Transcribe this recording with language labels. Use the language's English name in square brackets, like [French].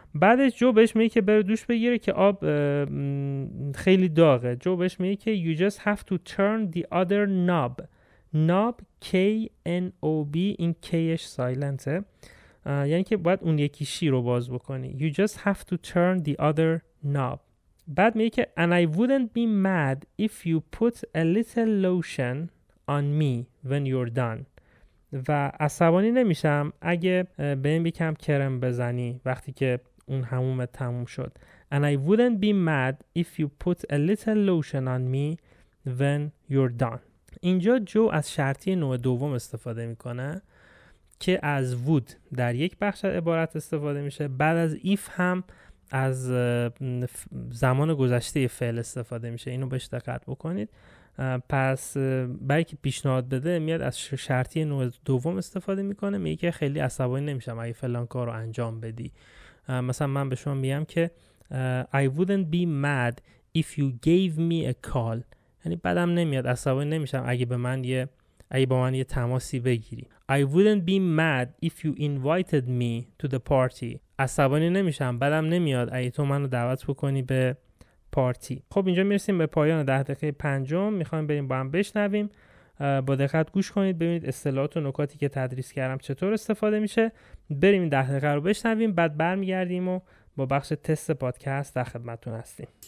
[Persian] بعدش جو بهش میگه که بره دوش بگیره که آب خیلی داغه. جو بهش میگه که [English] you just have to turn the other knob. [Persian] knob K-N-O-B این K-ش سایلنته، یعنی که باید اون یکی شی رو باز بکنی. [English] you just have to turn the other knob. [Persian] بعد میگه که [English] and I wouldn't be mad if you put a little lotion on me when you're done. [Persian] و عصبانی نمیشم اگه به این بیکم کرم بزنی وقتی که اون حموم تموم شد. [English] and I wouldn't be mad if you put a little lotion on me when you're done. [Persian] اینجا جو از شرطی نوع دوم استفاده میکنه که از would در یک بخش عبارت استفاده میشه، بعد از if هم از زمان گذشته فعل استفاده میشه. اینو بهش دقت بکنید. پس برای که پیشنهاد بده میاد از شرطی نوع دوم استفاده میکنه، میگه که خیلی عصبانی نمیشم اگه فلان کار رو انجام بدی. مثلا من به شما میگم که [English] I wouldn't be mad if you gave me a call. [Persian] یعنی بدم نمیاد، عصبانی نمیشم اگه به من یه تماسی بگیری. [English] I wouldn't be mad if you invited me to the party. [Persian] عصبانی نمیشم، بدم نمیاد اگه تو منو دعوت بکنی به پارتی. خب اینجا میرسیم به پایان ده دقیقه پنجم. میخوایم بریم با هم بشنویم. با دقت گوش کنید ببینید اصطلاحات و نکاتی که تدریس کردم چطور استفاده میشه. بریم این ده دقیقه رو بشنویم، بعد برمیگردیم و با بخش تست پادکست در خدمتتون هستیم.